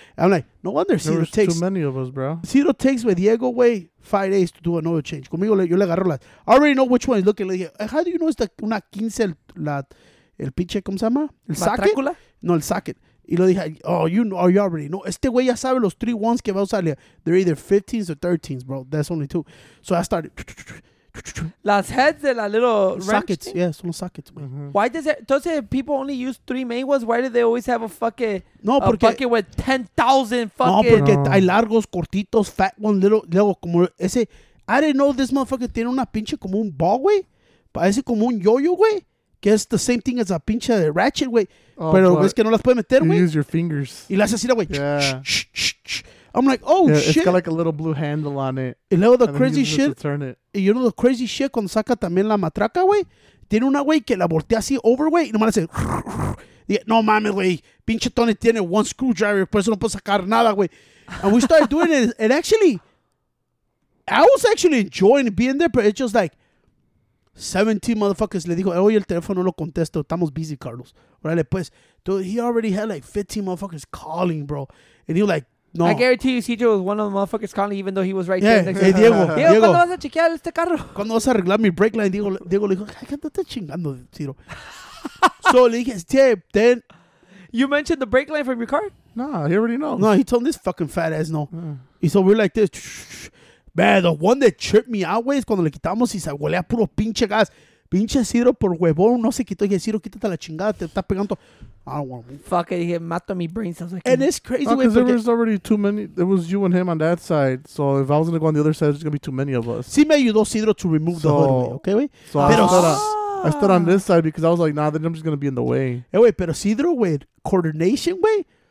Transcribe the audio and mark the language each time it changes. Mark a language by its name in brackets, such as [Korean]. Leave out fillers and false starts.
[English] I'm like, no wonder Ciro takes. There's too many of us, bro. Ciro takes with Diego away 5 days to do an oil change. [Spanish] Conmigo, yo le agarro las. [English] I already know which one is looking. Like, how do you know it's [Spanish] una 15, el pinche, ¿cómo se llama? El matricula? Socket? No, el socket. Y lo dije, [English] oh, you know, you already know. [Spanish] Este güey ya sabe los 3-1s que va a usar. [English] They're either 15s or 13s, bro. That's only two. So I started. [Spanish] Las heads de la little sockets, yeah, son los sockets. Mm-hmm. [English] Why does it? Entonces, people only use 3 main ones. Why do they always have a fucking bucket with 10,000 fucking? [Spanish] No, porque hay largos, cortitos, [English] fat ones, little. [Spanish] Luego, como ese. [English] I didn't know this motherfucker [Spanish] tiene una pinche como un ball, güey. Parece como un yo-yo, güey. Que es [English] the same thing [Spanish] as a pinche de ratchet, güey. Pero es que no las puede meter, güey. [English] You use your fingers. [Spanish] Y las así, güey. [English] Yeah. I'm like, oh, yeah, shit. It's got like a little blue handle on it. [Spanish] Y luego [English] the crazy shit. To turn it. [Spanish] Y [English] you know the crazy shit [Spanish] cuando saca también la matraca, güey. Tiene una, güey, que la voltea así over, güey. Y nomás hace. Yeah, no mames, güey. Pinche Tony tiene [English] one screwdriver. [Spanish] Por eso no puedo sacar nada, güey. [English] And we started doing it. And actually, I was actually enjoying being there. But it's just like, 17 motherfuckers [Spanish] le dijo, oye, el teléfono lo contesto, estamos busy, Carlos. Órale, pues. [English] Dude, he already had like 15 motherfuckers calling, bro. And he was like, no. I guarantee you, CJ was one of the motherfuckers calling, even though he was right yeah. there. Hey, Diego. [Spanish] Diego, ¿cuándo vas a chequear este carro? ¿Cuándo vas a arreglar mi brake line? Diego le dijo, ay, ¿qué andas chingando, Ciro? So le dije, then. [English] You mentioned the brake line from your car? No, he already knows. No, he told me this fucking fat ass no. Yeah. Y so we're like this. Man, the one that tripped me out, güey, [Spanish] es cuando le quitamos y se huele a puro pinche gas. Pinche Ciro por huevón no se quitó. Y dije, Ciro, quítate la chingada, te estás pegando. [English] I don't want to move. Fuck it, [Spanish] dije, mato mi brain. Like, [English] and it's crazy, güey. No, because there was already too many. There was you and him on that side. So if I was going to go on the other side, there's going to be too many of us. [Spanish] Sí me ayudó Ciro [English] to remove the hood, [Spanish] güey, okay, güey? [English] So pero I stood on this side because I was like, nah, then I'm just going to be in the way. [Spanish] Hey, güey, pero Ciro, güey, coordination, güey.